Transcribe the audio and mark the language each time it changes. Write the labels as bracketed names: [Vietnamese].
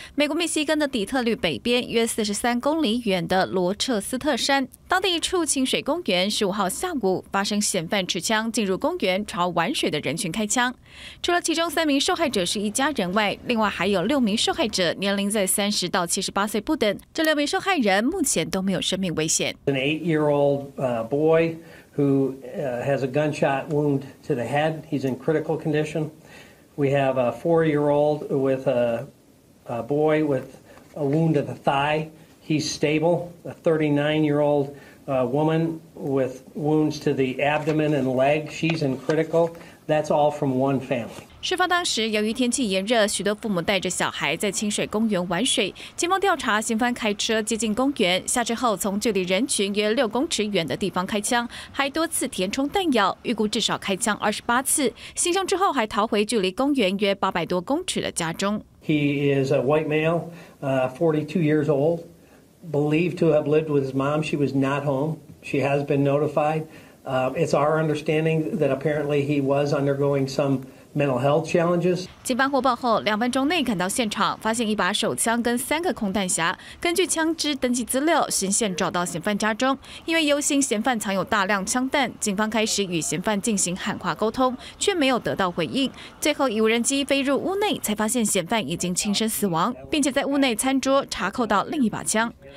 [Chinese] 美国密西根的底特律北边约43公里远的罗彻斯特山，当地一处清水公园15号下午发生嫌犯持枪进入公园，朝玩水的人群开枪。除了其中3名受害者是一家人外，另外还有6名受害者年龄在30到78岁不等。这6名受害人目前都没有生命危险。 [English] An eight-year-old boy. Who has a gunshot wound to the head. He's in critical condition. We have a 4-year-old with a boy with a wound of the thigh. He's stable. A 39-year-old woman with wounds to the abdomen and leg. She's in critical. That's all from one family. [Chinese] 事发当时，由于天气炎热，许多父母带着小孩在清水公园玩水。警方调查，嫌犯开车接近公园，下车后从距离人群约6公尺远的地方开枪，还多次填充弹药，预估至少开枪28次。行凶之后还逃回距离公园约800多公尺的家中。 [English] He is a white male, 42 years old, believed to have lived with his mom. She was not home. She has been notified. It's our understanding that apparently he was undergoing some mental health challenges. [Chinese] 警方获报后，两分钟内赶到现场，发现一把手枪跟三个空弹匣。根据枪支登记资料，巡线找到嫌犯家中。因为忧心嫌犯藏有大量枪弹，警方开始与嫌犯进行喊话沟通，却没有得到回应。最后以无人机飞入屋内，才发现嫌犯已经轻生死亡，并且在屋内餐桌查扣到另一把枪。